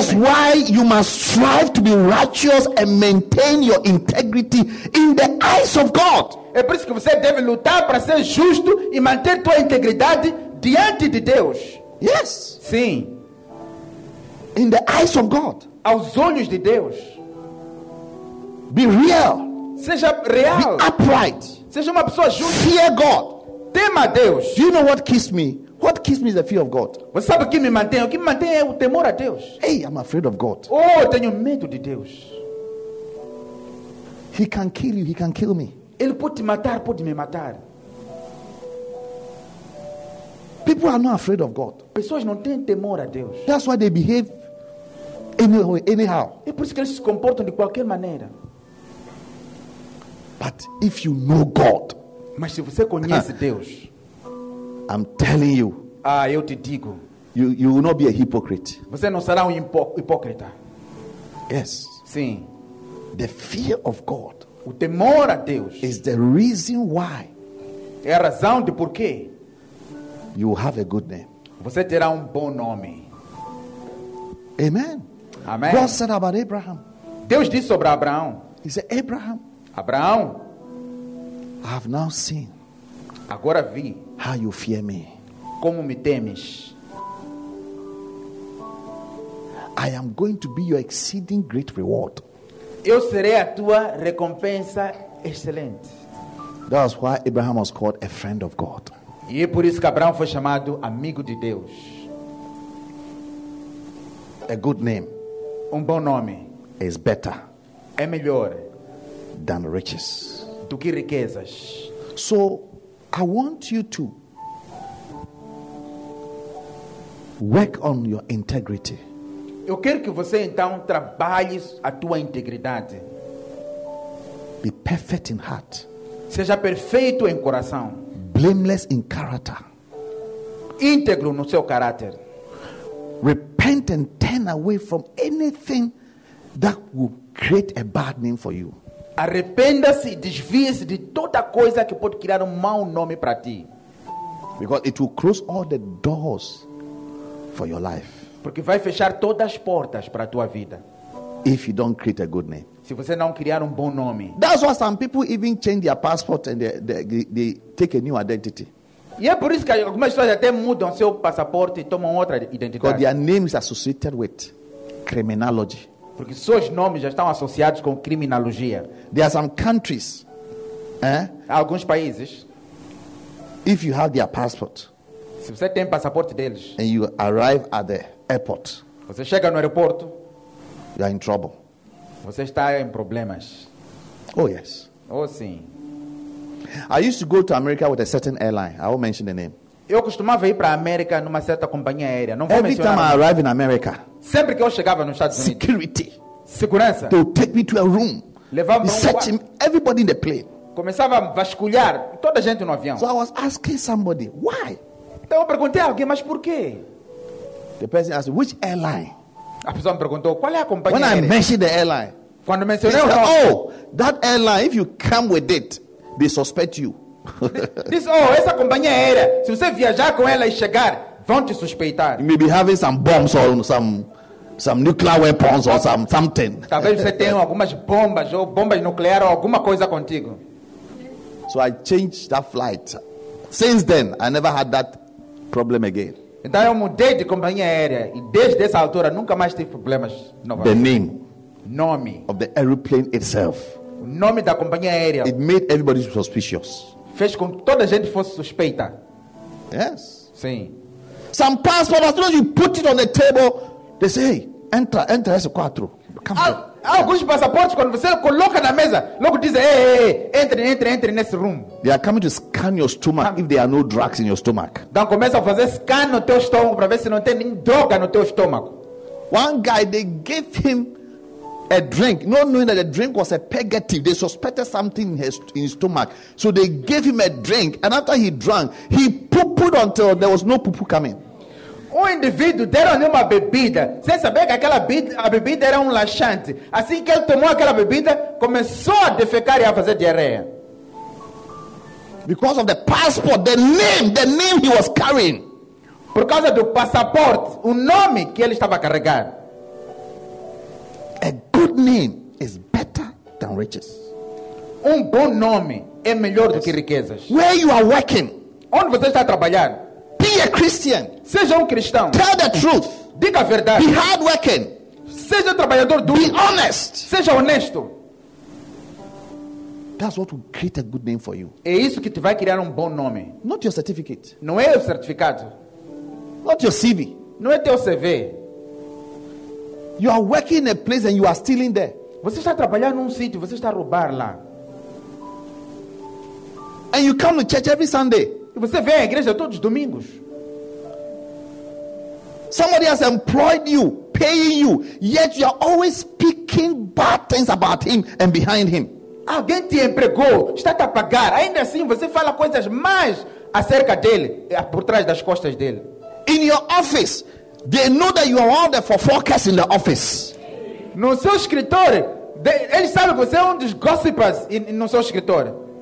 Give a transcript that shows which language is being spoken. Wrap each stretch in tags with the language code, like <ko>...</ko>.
<en>Is why you must strive to be righteous and maintain your integrity in the eyes of God.</en> <pt>É por isso que você deve lutar para ser justo e manter tua integridade diante de Deus.</pt> <en>Yes.</en> <pt>Sim.</pt> <en>In the eyes of God.</en> <pt>Aos olhos de Deus.</pt> <en>Be real.</en> <pt>Seja real.</pt> <en>Be upright.</en> <pt>Seja uma pessoa justa.</pt> <en>Fear God.</en> <pt>Tema a Deus.</pt> <en>Do you know what keeps me? What keeps me is the fear of God.</en> <pt>Você sabe o que me mantém? O que me mantém é o temor a Deus.</pt> <en>Hey, I'm afraid of God.</en> <pt>Oh, eu tenho medo de Deus.</pt> <en>He can kill you, he can kill me.</en> <pt>Ele pode te matar, pode me matar.</pt> <en>People are not afraid of God.</en> <pt>Pessoas não têm temor a Deus.</pt> <en>That's why they behave anyway, anyhow.</en> <pt>É por isso que eles se comportam de qualquer maneira.</pt> <en>But if you know God.</en> <pt>Mas se você conhece Deus.</pt> <en>I'm telling you.</en> <pt>Ah, eu te digo.</pt> <en>You will not be a hypocrite.</en> <pt>Você não será hipócrita.</pt> <en>Yes.</en> <pt>Sim.</pt> <en>The fear of God.</en> <pt>O temor a Deus.</pt> <en>Is the reason why.</en> <pt>É a razão de por quê.</pt> <en>You will have a good name.</en> <pt>Você terá bom nome.</pt> <en>Amen.</en> <pt>Amen.</pt> <en>God said about Abraham.</en> <pt>Deus disse sobre Abraão.</pt> <en>He said, Abraham.</en> <pt>Abraão.</pt> <en>I have now seen.</en> <pt>Agora vi.</pt> <en>How you fear me.</en> <pt>Como me temes.</pt> <en>I am going to be your exceeding great reward.</en> <pt>Eu serei a tua recompensa excelente.</pt> <en>That's why Abraham was called a friend of God.</en> <pt>E é por isso que Abraão foi chamado amigo de Deus.</pt> <en>A good name.</en> <pt>Bom nome.</pt> <en>Is better.</en> <pt>É melhor.</pt> <en>Than riches.</en> <pt>Do que riquezas.</pt> <en>So, I want you to work on your integrity.</en> <pt>Eu quero que você então trabalhe a tua integridade.</pt> <en>Be perfect in heart.</en> <pt>Seja perfeito em coração.</pt> <en>Blameless in character.</en> <pt>Íntegro no seu caráter.</pt> <en>Repent and turn away from anything that will create a bad name for you.</en> <pt>Arrependa-se e desvie-se de toda coisa que pode criar mau nome para ti.</pt> <en>Because it will close all the doors for your life.</en> <pt>Porque vai fechar todas as portas para a tua vida.</pt> <en>If you don't create a good name.</en> <pt>Se você não criar bom nome.</pt> <en>That's why some people even change their passport and they take a new identity.</en> <pt>E é por isso que algumas pessoas até mudam seu passaporte e tomam outra identidade.</pt> <en>Because their name is associated with criminology.</en> <pt>Porque seus nomes já estão associados com criminologia.</pt> <en>There are some countries, eh?</en> <pt>Alguns países.</pt> <en>If you have their passport,</en> <pt>se você tem passaporte deles,</pt> <en>and you arrive at the airport,</en> <pt>você chega no aeroporto,</pt> <en>you are in trouble.</en> <pt>Você está em problemas.</pt> <en>Oh yes.</en> <pt>Oh sim.</pt> <en>I used to go to America with a certain airline. I won't mention the name.</en> <pt>Eu costumava ir para a América numa certa companhia aérea. Não vou</pt> <en>Every time I arrive in America,</en> <pt>sempre que eu chegava nos Estados Unidos,</pt> <en>security,</en> <pt>segurança,</pt> <en>they would take me to a room,</en> <pt>levava me</pt> <en>searching everybody in the plane.</en> <pt>Começava a vasculhar toda a gente no avião.</pt> <en>So I was asking somebody, why?</en> <pt>Então eu perguntei a alguém, mas por quê?</pt> <en>The person asked, which airline?</en> <pt>A pessoa me perguntou, qual é a companhia</pt> <en>When</en> <pt>aérea?</pt> <en>When I mentioned the airline,</en> <pt>quando mencionei</pt> <en>said,</en> <pt>o nome,</pt> <en>oh, that airline, if you come with it, they suspect you.</en> <pt>Diz, oh, essa companhia aérea, se você viajar com ela e chegar, vão te suspeitar.</pt> <en>You may be having some bombs or some nuclear weapons or something.</en> <pt>Talvez você tenha algumas bombas ou bombas nucleares ou alguma coisa contigo.</pt> <en>So I changed that flight. Since then, I never had that problem again.</en> <pt>Então eu mudei de companhia aérea e desde essa altura nunca mais tive problemas novamente.</pt> <en>The name.</en> <pt>Nome.</pt> <en>Of the aeroplane itself.</en> <pt>O nome da companhia aérea.</pt> <en>It made everybody suspicious.</en> <pt>Fez com que toda a gente fosse suspeita.</pt> <en>Yes.</en> <pt>Sim.</pt> <en>Some passport, as soon as you put it on the table, they say, hey,</en> <pt>entra, entra, esse quatro.</pt> <en>comfortable.</en> <pt>Alguns passaportes, quando você coloca na mesa, logo dizem, entre nesse room.</pt> <en>They are coming to scan your stomach if there are no drugs in your stomach.</en> <pt>Então começa a fazer scan no teu estômago para ver se não tem nenhuma droga no teu estômago.</pt> <en>One guy, they gave him a drink, not knowing that the drink was a purgative. They suspected something in his stomach. So they gave him a drink, and after he drank, he pooped until there was no poo coming.</en> <pt>Um indivíduo deram-lhe uma bebida, sem saber que aquela bebida era laxante. Assim que ele tomou aquela bebida, começou a defecar e a fazer diarreia.</pt> <en>Because of the passport, the name he was carrying.</en> <pt>Por causa do passaporte, o nome que ele estava a carregar.</pt> <en>A good name is better than riches.</en> <pt>Um bom nome é melhor do que riquezas.</pt> <en>Where you are working?</en> <pt>Onde você está a trabalhar?</pt> <en>Be a Christian.</en> <pt>Seja cristão.</pt> <en>Tell the truth.</en> <pt>Diga a verdade.</pt> <en>Be hardworking.</en> <pt>Seja trabalhador duro.</pt> <en>Be honest.</en> <pt>Seja honesto.</pt> <en>That's what will create a good name for you.</en> <pt>É isso que te vai criar bom nome.</pt> <en>Not your certificate.</en> <pt>Não é o certificado.</pt> <en>Not your CV.</en> <pt>Não é teu CV.</pt> <en>You are working in a place and you are stealing there.</en> <pt>Você está trabalhando sítio, você está a roubar lá.</pt> <en>And you come to church every Sunday.</en> <pt>E você vem à igreja todos os domingos.</pt> <en>Somebody has employed you, paying you, yet you are always speaking bad things about him and behind him.</en> <pt>Alguém te empregou, está a pagar. Ainda assim, você fala coisas mais acerca dele, por trás das costas dele.</pt> <en>In your office, they know that you are out there for focus in the office.</en> <pt>No seu escritório, eles sabem que você é dos gossipers no seu escritório.</pt>